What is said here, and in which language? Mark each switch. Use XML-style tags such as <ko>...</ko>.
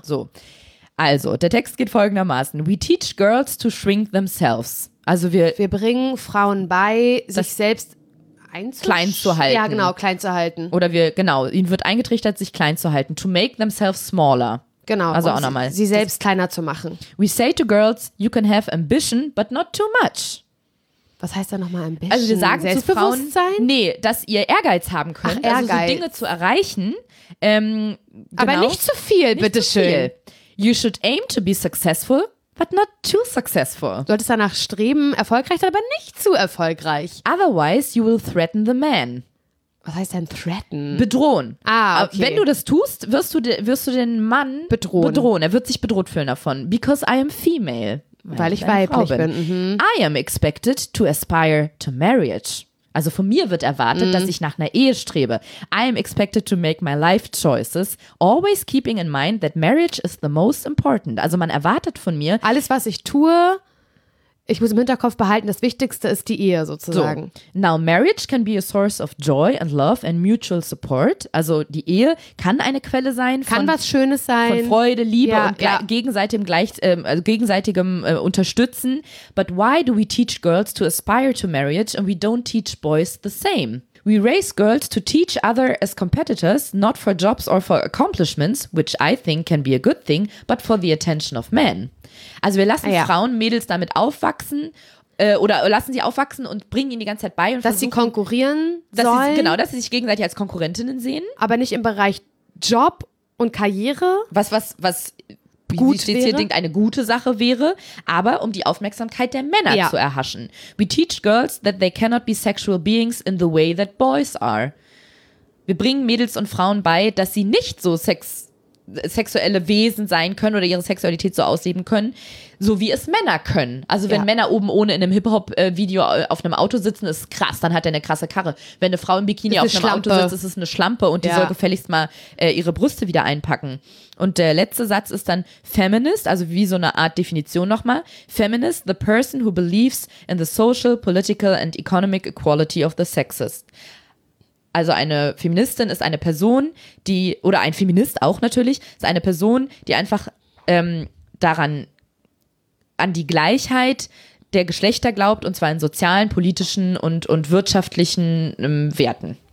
<de>So. Also, der Text geht folgendermaßen.</de> <en>We teach girls to shrink themselves.</en> <de>Also wir bringen Frauen bei, sich selbst klein zu halten. Ja, genau, klein zu halten. Oder ihnen wird eingetrichtert, sich klein zu halten.</de> <en>To make themselves smaller.</en> <de>Genau, also auch nochmal. Sie selbst kleiner zu machen.</de> <en>We say to girls, you can have ambition, but not too much.</en> <de>Was heißt da nochmal ambition? Also wir sagen zu Frauen, dass ihr Ehrgeiz haben könnt, Ehrgeiz. Also so Dinge zu erreichen. Aber nicht zu viel, bitteschön.</de> <en>You should aim to be successful, but not too successful.</en> <de>Du solltest danach streben, erfolgreich sein, aber nicht zu erfolgreich.</de> <en>Otherwise, you will threaten the man.</en> <de>Was heißt denn threaten? Bedrohen. Ah, okay. Wenn du das tust, wirst du den Mann bedrohen. Er wird sich bedroht fühlen davon.</de> <en>Because I am female.</en> <de>Weil ich weiblich bin.</de> <en>Mhm. I am expected to aspire to marriage.</en> <de>Also von mir wird erwartet, dass ich nach einer Ehe strebe.</de> <en>I am expected to make my life choices. Always keeping in mind that marriage is the most important.</en> <de>Also man erwartet von mir. Alles, was ich tue, ich muss im Hinterkopf behalten, das Wichtigste ist die Ehe sozusagen. So.</de> <en>Now, marriage can be a source of joy and love and mutual support.</en> <de>Also die Ehe kann eine Quelle sein. Kann was Schönes sein. Von Freude, Liebe und gegenseitigem Unterstützen.</de> <en>But why do we teach girls to aspire to marriage and we don't teach boys the same? We raise girls to teach other as competitors, not for jobs or for accomplishments, which I think can be a good thing, but for the attention of men.</en> <de>Also wir lassen Frauen, Mädels damit aufwachsen, oder lassen sie aufwachsen und bringen ihnen die ganze Zeit bei. Und dass sie konkurrieren sollen. Genau, dass sie sich gegenseitig als Konkurrentinnen sehen. Aber nicht im Bereich Job und Karriere. Was gut wie steht hier, denkt, eine gute Sache wäre, aber um die Aufmerksamkeit der Männer zu erhaschen.</de> <en>We teach girls that they cannot be sexual beings in the way that boys are.</en> <de>Wir bringen Mädels und Frauen bei, dass sie nicht so sexuelle Wesen sein können oder ihre Sexualität so ausleben können, so wie es Männer können. Also wenn Männer oben ohne in einem Hip-Hop-Video auf einem Auto sitzen, ist krass, dann hat er eine krasse Karre. Wenn eine Frau im Bikini auf einem Auto sitzt, ist es eine Schlampe und die soll gefälligst mal ihre Brüste wieder einpacken. Und der letzte Satz ist dann Feminist, also wie so eine Art Definition nochmal.</de> <en>Feminist, the person who believes in the social, political and economic equality of the sexes.</en> <de>Also eine Feministin ist eine Person, die, oder ein Feminist auch natürlich, ist eine Person, die einfach daran, an die Gleichheit der Geschlechter glaubt, und zwar in sozialen, politischen und wirtschaftlichen Werten.</de>